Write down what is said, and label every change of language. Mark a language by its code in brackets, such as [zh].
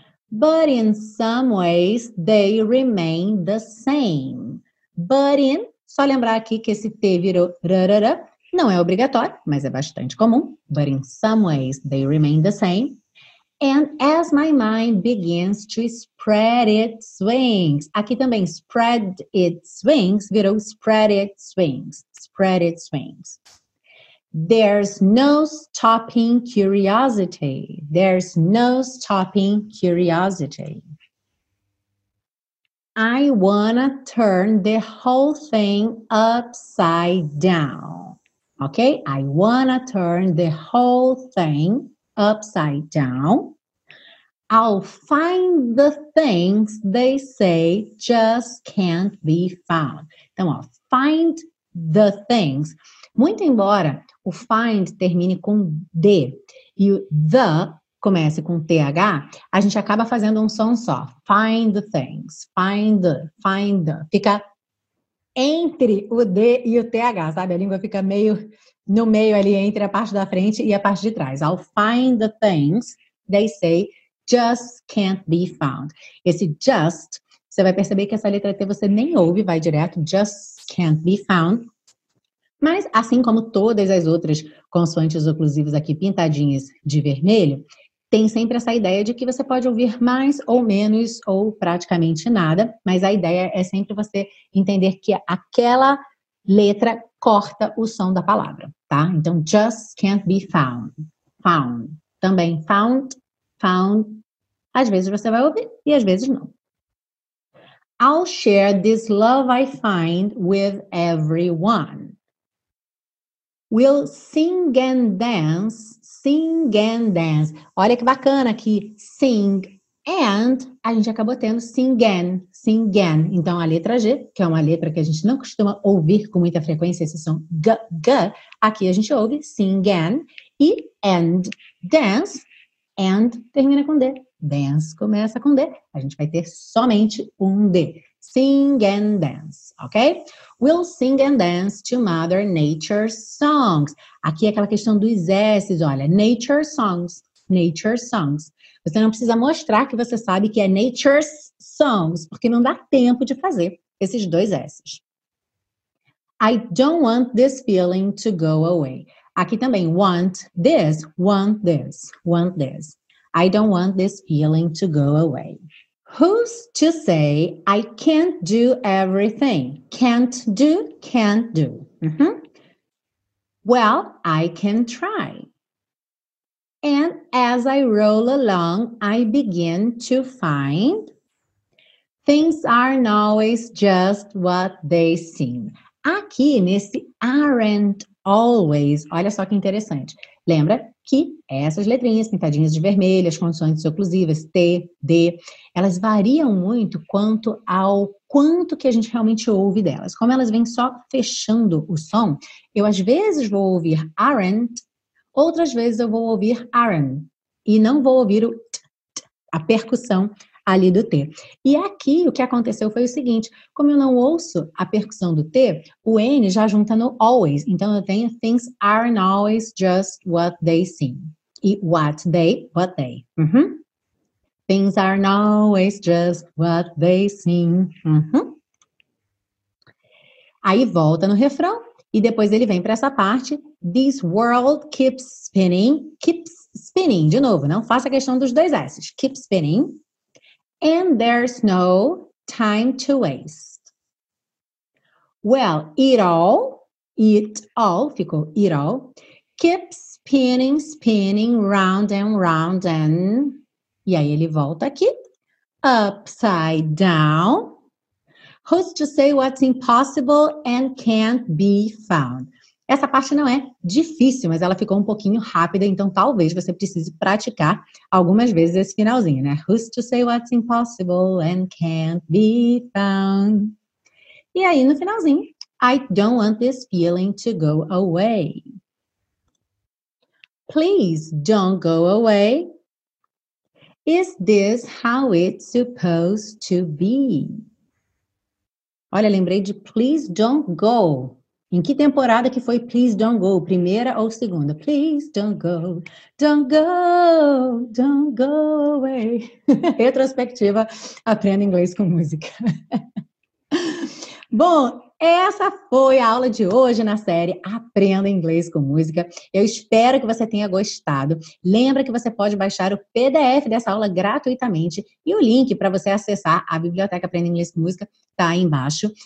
[en] But in some ways, they remain the same. But in, [pt] só lembrar aqui que esse T virou rarara, não é obrigatório, mas é bastante comum. [en] But in some ways, they remain the same. And as my mind begins to spread its wings. [pt] Aqui também, [en] spread its wings, [pt] virou [en] spread its wings. Spread its wings. There's no stopping curiosity. There's no stopping curiosity. I wanna turn the whole thing upside down. Okay? I wanna turn the whole thing upside down. I'll find the things they say just can't be found. [pt] Então, ó, [en] find the things. [pt] Muito embora o find termine com D e o the comece com TH, a gente acaba fazendo um som só. [en] Find the things. Find the. Find the. [pt] Fica entre o D e o TH, sabe? A língua fica meio no meio ali, entre a parte da frente e a parte de trás. [en] I'll find the things they say just can't be found. [pt] Esse [en] just, [pt] Você vai perceber que essa letra T você nem ouve, vai direto, [en] just can't be found. [pt] Mas, assim como todas as outras consoantes oclusivas aqui pintadinhas de vermelho, tem sempre essa ideia de que você pode ouvir mais ou menos ou praticamente nada, mas a ideia é sempre você entender que aquela letra corta o som da palavra, tá? Então, [en] just can't be found. Found. [pt] Também [en] found, found. [pt] Às vezes você vai ouvir e às vezes não. [en] I'll share this love I find with everyone. We'll sing and dance, sing and dance. [pt] Olha que bacana aqui, [en] sing and, [pt] a gente acabou tendo [en] sing and, sing and. [pt] Então a letra G, que é uma letra que a gente não costuma ouvir com muita frequência, esse som g, g, aqui a gente ouve [en] sing and dance, [pt] and termina com D, dance começa com D, a gente vai ter somente um D. [en] Sing and dance, ok? We'll sing and dance to Mother Nature's songs. [pt] Aqui é aquela questão dos S's, olha. [en] Nature's songs, nature's songs. [pt] Você não precisa mostrar que você sabe que é [en] nature's songs, [pt] porque não dá tempo de fazer esses dois S's. [en] I don't want this feeling to go away. [pt] Aqui também, [en] want this, want this, want this. I don't want this feeling to go away. Who's to say I can't do everything? Can't do, can't do. Mm-hmm. Well, I can try. And as I roll along, I begin to find things aren't always just what they seem. [pt] Aqui, nesse [en] aren't always, [pt] olha só que interessante. Lembra que essas letrinhas pintadinhas de vermelho, as consoantes oclusivas, T, D, elas variam muito quanto ao quanto que a gente realmente ouve delas. Como elas vêm só fechando o som, eu às vezes vou ouvir aren't, outras vezes eu vou ouvir aren't e não vou ouvir o t, t, a percussão ali do T. E aqui o que aconteceu foi o seguinte, como eu não ouço a percussão do T, o N já junta no always. Então eu tenho [en] things aren't always just what they seem. E what they. Uhum. Things aren't always just what they seem. Uhum. [pt] Aí volta no refrão e depois ele vem para essa parte. [en] This world keeps spinning. Keeps spinning. [pt] De novo, não faça questão dos dois S's. [en] Keeps spinning. And there's no time to waste. Well, it all, [pt] ficou [en] it all, keeps spinning, spinning, round and round and... [pt] E aí ele volta aqui. [en] Upside down. Who's to say what's impossible and can't be found? [pt] Essa parte não é difícil, mas ela ficou um pouquinho rápida, então talvez você precise praticar algumas vezes esse finalzinho, né? [en] Who's to say what's impossible and can't be found? [pt] E aí, no finalzinho, [en] I don't want this feeling to go away. Please don't go away. Is this how it's supposed to be? [pt] Olha, lembrei de [en] please don't go. [pt] Em que temporada que foi Please Don't Go? Primeira ou segunda? [en] Please don't go, don't go, don't go away. [pt] Retrospectiva, aprenda inglês com música. Bom, essa foi a aula de hoje na série Aprenda Inglês com Música. Eu espero que você tenha gostado. Lembra que você pode baixar o PDF dessa aula gratuitamente e o link para você acessar a Biblioteca Aprenda Inglês com Música está aí embaixo.